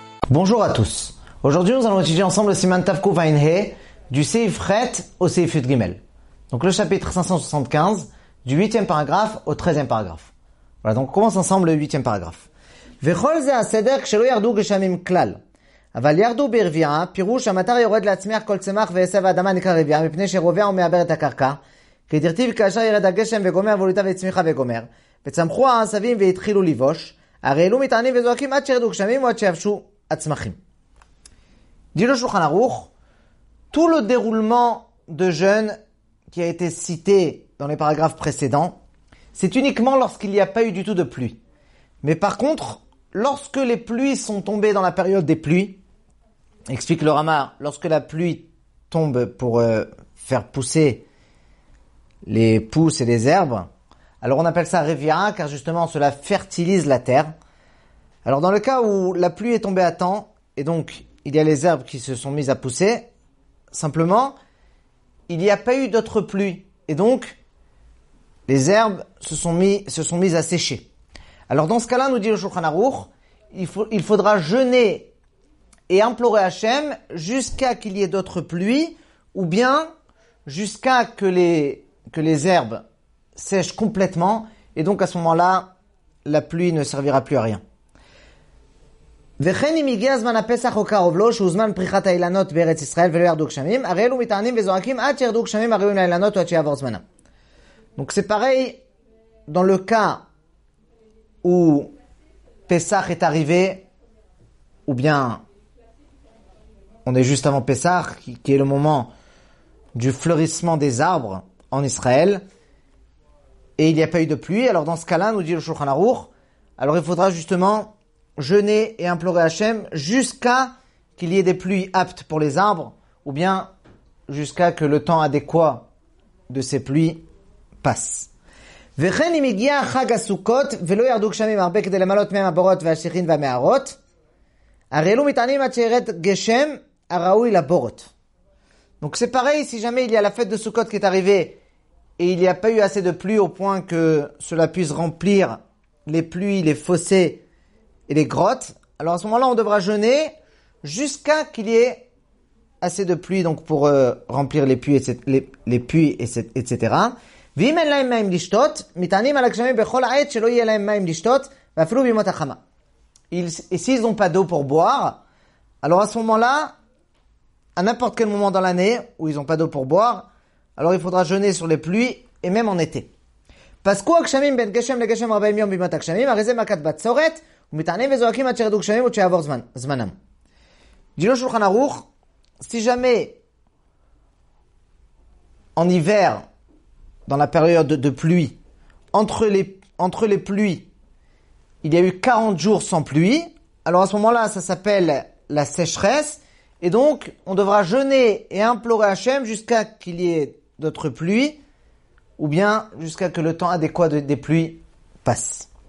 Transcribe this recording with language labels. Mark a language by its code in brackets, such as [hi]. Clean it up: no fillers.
[fr] Bonjour à tous. Aujourd'hui, nous allons étudier ensemble le Siman Tavkou Vainhe du Seif Ret au Seif Yud Gimel. Donc le chapitre 575 du 8e paragraphe au 13e paragraphe. Voilà, donc on commence ensemble le 8e paragraphe. [he] וכול זה הסדר כשלא ירדו גשמים כלל. אבל ירדו ברביעה, פירוש המטר יורד להצמיח כל צמח ועשב האדמה נקרא רביעה, מפני שרובע ומעבר את הקרקע. כדרתיו כאשר ירד הגשם וגומר ועולותה וצמיחה וגומר. וצמחו העשבים והתחילו לבוש, הרי אלו מתענים וזועקים עד שירדו גשמים ועד שיבשו הצמחים. דילו שולחן ארוך, [fr] tout le déroulement de jeûne qui a été cité dans les paragraphes précédents, c'est uniquement lorsqu'il n'y a pas eu du tout de pluie. Mais par contre, lorsque les pluies sont tombées dans la période des pluies, explique le Rama, lorsque la pluie tombe pour faire pousser les pousses et les herbes, alors on appelle ça Reviara, car justement cela fertilise la terre. Alors dans le cas où la pluie est tombée à temps, et donc il y a les herbes qui se sont mises à pousser, simplement, il n'y a pas eu d'autres pluies, et donc les herbes se sont mises à sécher. Alors dans ce cas-là, nous dit le Shulchan Aruch, il faudra jeûner et implorer Hachem jusqu'à qu'il y ait d'autres pluies ou bien jusqu'à que les herbes sèchent complètement et donc à ce moment-là, la pluie ne servira plus à rien. [he] וכן אם יגיע זמן הפסח או קרוב לו, שהוא זמן פריחת האילנות בארץ ישראל ולא ירדו גשמים, הרי אלו מתענים וזועקים עד שירדו גשמים הראויים לאילנות ועד שיעבור זמנם. [fr] Donc c'est pareil dans le cas où Pessah est arrivé, ou bien on est juste avant Pessah, qui est le moment du fleurissement des arbres en Israël, et il n'y a pas eu de pluie. Alors dans ce cas-là, nous dit le Shulchan Aruch, alors il faudra justement jeûner et implorer Hachem jusqu'à qu'il y ait des pluies aptes pour les arbres, ou bien jusqu'à que le temps adéquat de ces pluies passe. [he] וכן אם הגיע חג הסוכות ולא ירדו גשמים הרבה כדי למלות מהם הבורות והשיחין והמערות, הרי אלו מתענים עד שירד גשם הראוי לבורות. [fr] Donc c'est pareil, si jamais il y a la fête de Sukkot qui est arrivée et il n'y a pas eu assez de pluie au point que cela puisse remplir les pluies, les fossés et les grottes, alors à ce moment-là on devra jeûner jusqu'à qu'il y ait assez de pluie donc pour remplir les puits, etc. [he] ואם אין להם מים לשתות, מתענים על הגשמים בכל העת שלא יהיה להם מים לשתות, ואפילו בימות החמה. [fr] S'ils n'ont pas d'eau pour boire, alors à ce moment-là, à n'importe quel moment dans l'année où ils n'ont pas d'eau pour boire, alors il faudra jeûner sur les pluies, et même en été. [he] פסקו הגשמים בין גשם לגשם 40 יום בימות הגשמים, הרי זה מכת בצורת, ומתענים וזועקים עד שירדו גשמים עוד שיעבור זמנם. דילו שולחן ערוך, [fr] si jamais, en hiver, dans la période de pluie, entre les pluies, il y a eu 40 jours sans pluie. Alors à ce moment-là, ça s'appelle la sécheresse. Et donc, on devra jeûner et implorer Hachem jusqu'à qu'il y ait d'autres pluies, ou bien jusqu'à que le temps adéquat des pluies passe.